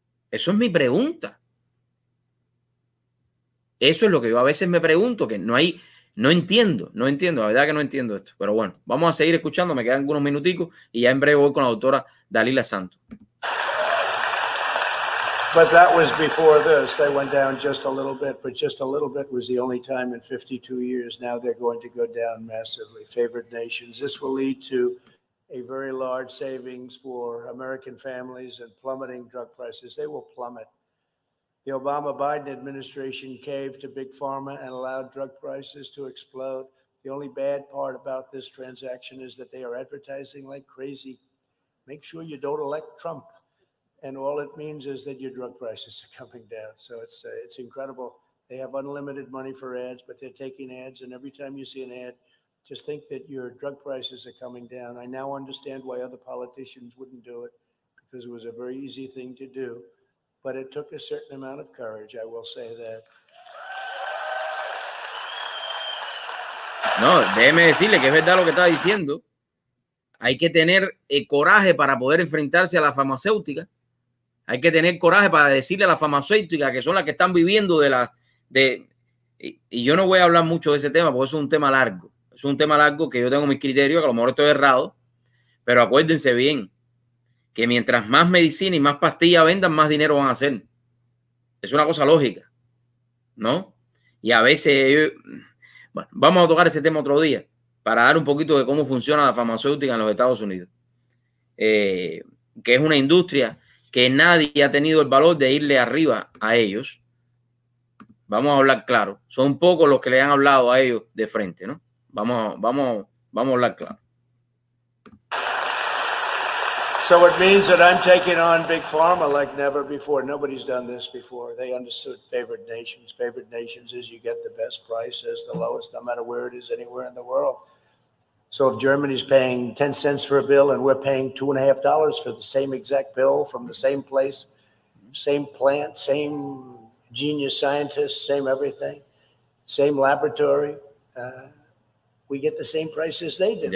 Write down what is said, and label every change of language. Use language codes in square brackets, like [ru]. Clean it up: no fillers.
[es] Eso es mi pregunta. Eso es lo que yo a veces me pregunto, que no entiendo, la verdad que no entiendo esto. Pero bueno, vamos a seguir escuchando, me quedan unos minuticos y ya en breve voy con la doctora Dalila Santos. [en] But that was before this. They went down just a little bit, but just a little bit was the only time in 52 years. Now they're going to go down massively. Favored nations. This will lead to a very large savings for American families and plummeting drug prices. They will plummet. The Obama-Biden administration caved to Big Pharma and allowed drug prices to explode. The only bad part about this transaction is that they are advertising like crazy. Make sure you don't elect Trump. And all it means is that your drug prices are coming down. So it's incredible. They have unlimited money for ads, but they're taking ads. And every time you see an ad, just think that your drug prices are coming down. I now understand why other politicians wouldn't do it, because it was a very easy thing to do. But it took a certain amount of courage, I will say that. [es] No, déjeme decirle que es verdad lo que está diciendo. Hay que tener coraje para poder enfrentarse a la farmacéutica. Hay que tener coraje para decirle a la farmacéutica que son las que están viviendo de las... Y yo no voy a hablar mucho de ese tema porque es un tema largo que yo tengo mis criterios, que a lo mejor estoy errado, pero acuérdense bien. Que mientras más medicina y más pastillas vendan, más dinero van a hacer. Es una cosa lógica, ¿no? Y a veces, bueno, vamos a tocar ese tema otro día para dar un poquito de cómo funciona la farmacéutica en los Estados Unidos. Que es una industria que nadie ha tenido el valor de irle arriba a ellos. Vamos a hablar claro. Son pocos los que le han hablado a ellos de frente, ¿no? Vamos a hablar claro. [en] So it means that I'm taking on Big Pharma like never before. Nobody's done this before. They understood favored nations. Favored nations is you get the best price as the lowest, no matter where it is anywhere in the world. So if Germany's paying 10 cents for a bill and we're paying $2.50 for the same exact bill from the same place, same plant, same genius scientists, same everything, same laboratory, we get the same price as they do.